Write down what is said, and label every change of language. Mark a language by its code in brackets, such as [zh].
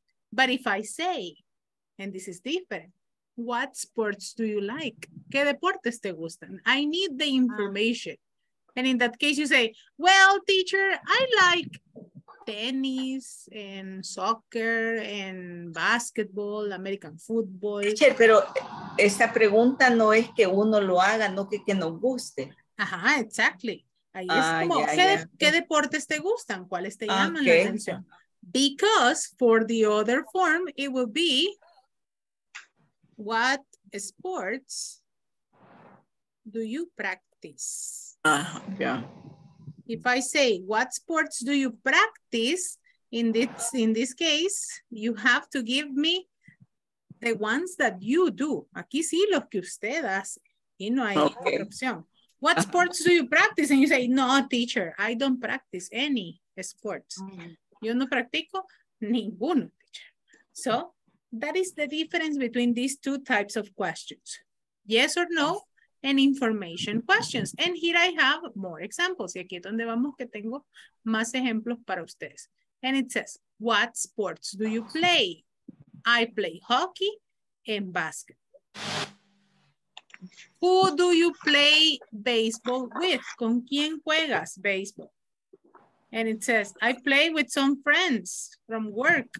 [en] But if I say, and this is different, what sports do you like? [es] ¿Qué deportes te gustan? [en] I need the information. And in that case, you say, well, teacher, I like tennis and soccer and basketball, American football. [es] Teacher, pero esta pregunta no es que uno lo haga, no que nos guste. Ajá, exactly. Ahí es como, ¿qué deportes te gustan? ¿Cuáles te llaman la atención? [en] Because for the other form, it will be, what sports do you practice? Yeah. If I say, what sports do you practice? In this case, you have to give me the ones that you do. [es] Aquí sí los que usted hace. Y no hay otra opción. [en] What sports do you practice? And you say, no, teacher, I don't practice any sports. [es] Yo no practico ninguno, [en] teacher. So that is the difference between these two types of questions. Yes or no, and information questions. And here I have more examples. [es] Y aquí es donde vamos que tengo más ejemplos para ustedes. [en] And it says, what sports do you play? I play hockey and basketball. Who do you play baseball with? [es] ¿Con quién juegas baseball? [en] And it says, I play with some friends from work.